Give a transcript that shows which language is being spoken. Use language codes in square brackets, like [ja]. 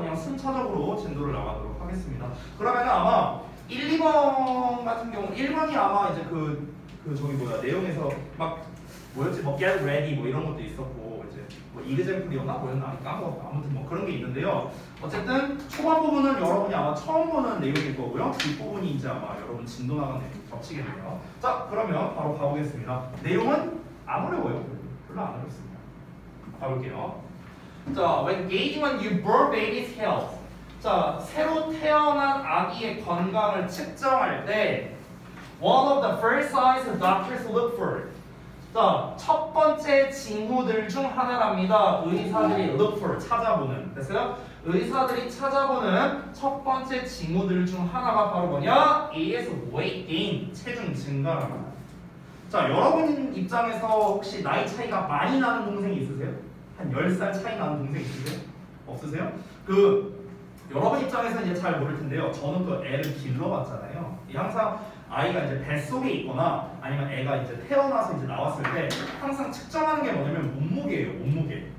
[ko] 그냥 순차적으로 진도를 나가도록 하겠습니다. 그러면은 아마 1, 2번 같은 경우 1번이 아마 이제 그 저기 뭐야 내용에서 막 뭐였지 뭐 [en] get ready [ko] 뭐 이런 것도 있었고 이제 뭐 example이었나 뭐였나 까먹었다. 아무튼 뭐 그런 게 있는데요. 어쨌든 초반 부분은 여러분이 아마 처음 보는 내용일 거고요. 뒷부분이 이제 아마 여러분 진도 나가는 내용이 겹치겠네요. 자 그러면 바로 가보겠습니다. 내용은 안 어려워요. 별로 안 어렵습니다. 가볼게요. 자, [en] when gauging on your birth baby's health. [ko] 자, 새로 태어난 아기의 건강을 측정할 때 [en] one of the first signs the doctors look for. [ko] 자, 첫 번째 징후들 중 하나랍니다. 의사들이 [en] look for, [ko] 찾아보는. 됐어요? 의사들이 찾아보는 첫 번째 징후들 중 하나가 바로 뭐냐? [en] is weight gain, 체중 증가랍니다. [ko] 자, 여러분 입장에서 혹시 나이 차이가 많이 나는 동생이 있으세요? 한 10살 차이 나는 동생 있으세요? 없으세요? 그 여러분 입장에서는 이제 잘 모를 텐데요. 저는 그 애를 길러봤잖아요. 항상 아이가 이제 뱃속에 있거나 아니면 애가 이제 태어나서 이제 나왔을 때 항상 측정하는 게 뭐냐면 몸무게예요, 몸무게.